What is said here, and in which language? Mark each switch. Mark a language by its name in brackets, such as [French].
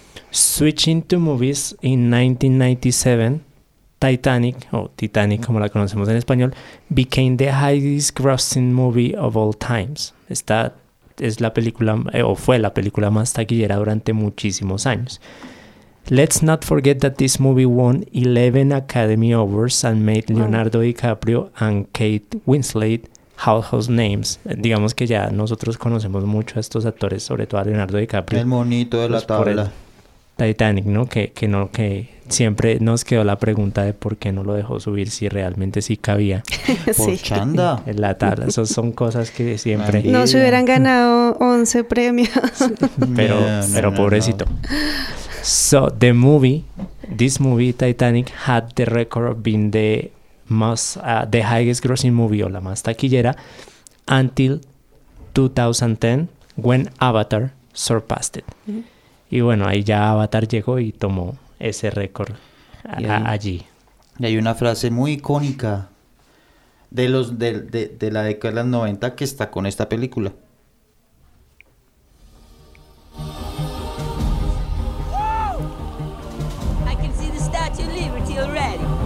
[English] Switching to movies in 1997, Titanic, [Spanish] o Titanic como la conocemos en español, [English] became the highest grossing movie of all times. [Spanish] Está... es la película, o fue la película más taquillera durante muchísimos años. [English] Let's not forget that this movie won 11 Academy Awards and made Leonardo DiCaprio and Kate Winslet household names. [Spanish] Digamos que ya nosotros conocemos mucho a estos actores, sobre todo a Leonardo DiCaprio. El monito de la tabla. Titanic, ¿no? Que no, que siempre nos quedó la pregunta de por qué no lo dejó subir, si realmente sí cabía. Por chanda. En la tabla. Esas son cosas que siempre... No se hubieran ganado 11 premios. Pero, yeah, pero no, pobrecito. No. [English] So, the movie, this movie, Titanic, had the record of being the most, the highest grossing movie, [Spanish] o la más taquillera, [English] until 2010, when Avatar surpassed it. Mm-hmm. [Spanish] Y bueno, ahí ya Avatar llegó y tomó ese récord allí. Y hay una frase muy icónica de los de la década de los 90 que está con esta película. [English] I can see the Statue of Liberty already.